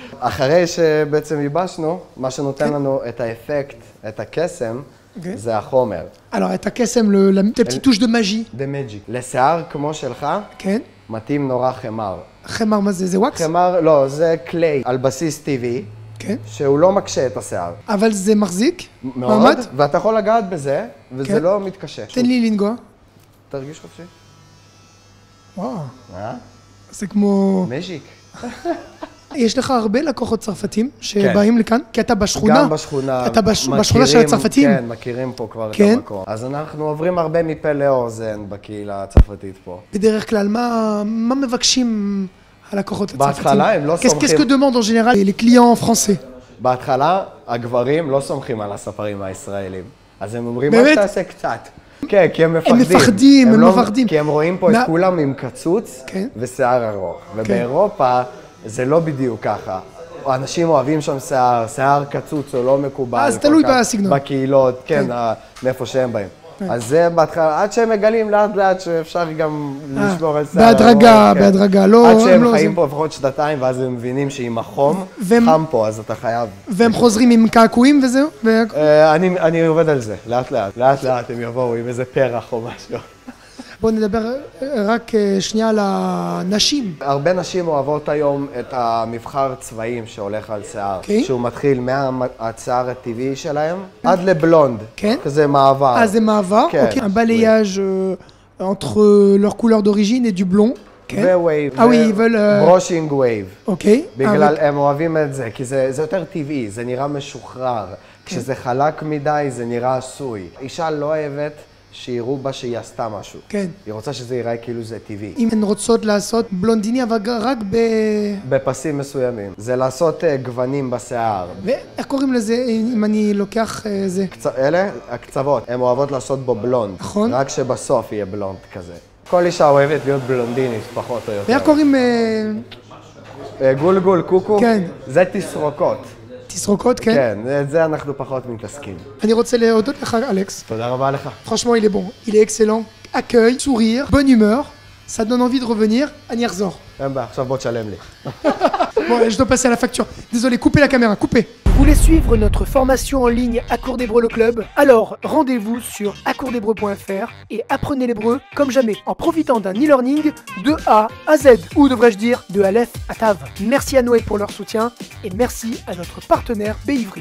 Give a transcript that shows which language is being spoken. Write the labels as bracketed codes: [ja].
[he] אחרי שבעצם ייבשנו, מה שנותן לנו את האפקט, את הקסם, זה החומר. [fr] Alors, [he] את הקסם, [fr] la petite touche de magie. De magie. [he] לשיער כמו שלך, כן. מתאים נורא חמר. חמר מה זה? זה וקס? חמר, לא, זה קליי על בסיס טבעי. כן. שהוא לא מקשה את השיער. אבל זה מחזיק? מאוד. מעמד? ואתה יכול לגעת בזה, וזה כן. לא מתקשה. תן לי לנגוע. תרגיש חופשי. וואו. אה? זה כמו... מג'יק. יש לך הרבה לקוחות צרפתים שבאים כן. לכאן? כי אתה בשכונה. גם בשכונה. אתה בשכונה של הצרפתים? כן, מכירים פה כבר כן. את המקום. אז אנחנו עוברים הרבה מפה לאוזן בקהילה הצרפתית פה. בדרך כלל, מה מבקשים הלקוחות הצרפתים? בהתחלה הם לא סומכים... [fr] Qu'est-ce que demande en général les clients français? [he] בהתחלה הגברים לא סומכים על הספרים הישראלים. אז הם אומרים, מה תעשה קצת? כן, כי הם מפחדים. הם מפחדים, הם לא... מפחדים. כי הם רואים פה את כולם עם קצוץ כן. ושיער ארוך. כן. ובאירופה... זה לא בדיוק ככה. אנשים אוהבים שם שיער, שיער קצוץ או לא מקובל. אז תלוי בסגנון. בקהילות, כן, מאיפה שהם באים. אז זה בהתחלה, עד שהם מגלים לאט לאט שאפשר גם לשמור על שיער. בהדרגה, בהדרגה, לא... עד שהם חיים פה לפחות שנתיים ואז הם מבינים שעם החום, חם פה, אז אתה חייב... והם חוזרים עם קעקועים וזהו? אני עובד על זה, לאט לאט. לאט לאט הם יבואו עם איזה פרח או משהו. בוא נדבר רק שנייה על הנשים. הרבה נשים אוהבות היום את המבחר צבעים שהולך על שיער. Okay. שהוא מתחיל מהשיער הטבעי שלהם okay. עד לבלונד. כן. Okay. כזה מעבר. אז זה מעבר? כן. [fr] הבלייאז' entre leur couleur d'origine et du blond. [he] כן. ו-wave. [fr] אה, oui, ils veulent... Brushing wave. [he] אוקיי. בגלל, הם אוהבים את זה, כי זה יותר טבעי, זה נראה משוחרר. כשזה חלק מדי, זה נראה עשוי. אישה לא אוהבת שיראו בה שהיא עשתה משהו. כן. היא רוצה שזה ייראה כאילו זה טבעי. אם הן רוצות לעשות בלונדיני, אבל רק ב... בפסים מסוימים. זה לעשות גוונים בשיער. ואיך קוראים לזה אם אני לוקח זה? אלה? הקצוות. הן אוהבות לעשות בו בלונד. נכון. רק שבסוף יהיה בלונד כזה. כל אישה אוהבת להיות בלונדינית, פחות או יותר. ואיך קוראים... גולגול, קוקו. כן. זה תסרוקות. תסרוקות, כן? כן, את זה אנחנו פחות מתעסקים. אני רוצה להודות לך, אלכס. תודה רבה לך. [fr] Franchement, il est bon. Il est excellent. Accueil, sourire, bonne humeur. Ça donne envie de revenir. [he] אני אחזור. אין בה, עכשיו בוא תשלם לי. [fr] Bon, je dois passer à la facture. Désolé, coupez la caméra, coupez. Vous voulez suivre notre formation en ligne Accours d'Hébreu le Club? Alors, rendez-vous sur accoursdhebreu.fr et apprenez l'hébreu comme jamais en profitant d'un e-learning de A à Z, ou devrais-je dire de Aleph à Tav. Merci à Noé pour leur soutien et merci à notre partenaire Beivrit.